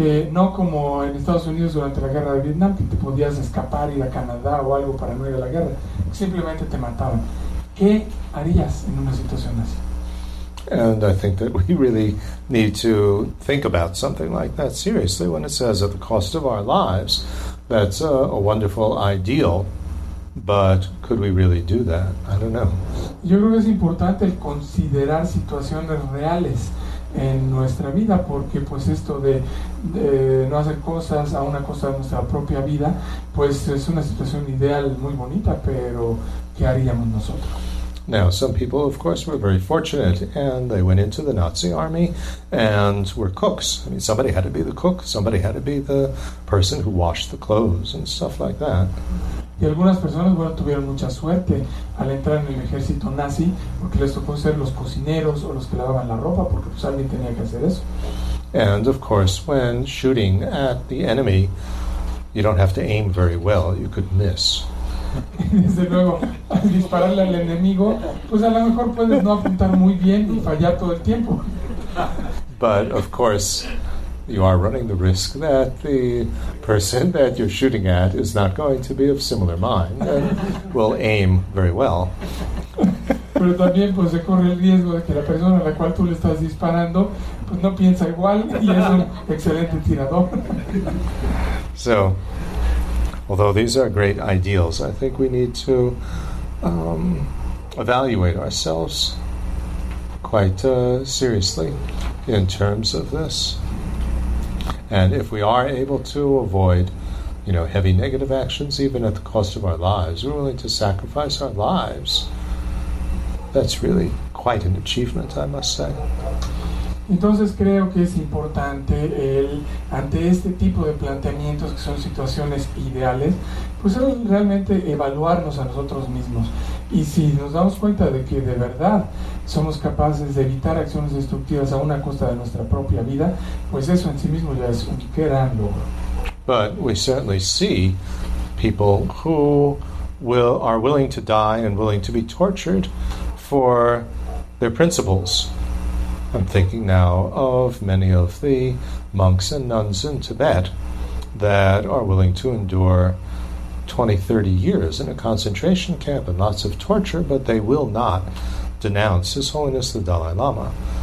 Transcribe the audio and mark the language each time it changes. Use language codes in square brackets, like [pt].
[es] No como en Estados Unidos durante la guerra de Vietnam, que te podías escapar, ir a Canadá o algo para no ir a la guerra. Simplemente te mataban. ¿Qué harías en una situación así? [en] And I think that we really need to think about something like that seriously when it says at the cost of our lives. That's a wonderful ideal, but could we really do that? I don't know. [es] Yo creo que es importante el considerar situaciones reales en nuestra vida, porque pues esto de no hacer cosas a una cosa de nuestra propia vida, pues es una situación ideal muy bonita, pero ¿qué haríamos nosotros? [en] Now, some people, of course, were very fortunate, and they went into the Nazi army and were cooks. I mean, somebody had to be the cook, somebody had to be the person who washed the clothes and stuff like that. [es] Y algunas personas, bueno, tuvieron mucha suerte al entrar en el ejército nazi, porque les tocó ser los cocineros o los que lavaban la ropa, porque pues alguien tenía que hacer eso. [en] And, of course, when shooting at the enemy, you don't have to aim very well, you could miss. [es] Desde luego, al dispararle al enemigo, pues a lo mejor puedes no apuntar muy bien y fallar todo el tiempo. [en] But of course, you are running the risk that the person that you're shooting at is not going to be of similar mind and will aim very well. [es] Pero también pues se corre el riesgo de que la persona a la cual tú le estás disparando pues no piensa igual y es un excelente tirador. [en] So, although these are great ideals, I think we need to evaluate ourselves quite seriously in terms of this. And if we are able to avoid, you know, heavy negative actions, even at the cost of our lives, we're willing to sacrifice our lives. That's really quite an achievement, I must say. [es] Entonces creo que es importante el ante este tipo de planteamientos que son situaciones ideales, pues es realmente evaluarnos a nosotros mismos. Y si nos damos cuenta de que de verdad somos capaces de evitar acciones destructivas a una costa de nuestra propia vida, pues eso en sí mismo ya es un gran logro. [en] But we certainly see people who are willing to die and willing to be tortured for their principles. I'm thinking now of many of the monks and nuns in Tibet that are willing to endure 20, 30 years in a concentration camp and lots of torture, but they will not denounce His Holiness the Dalai Lama.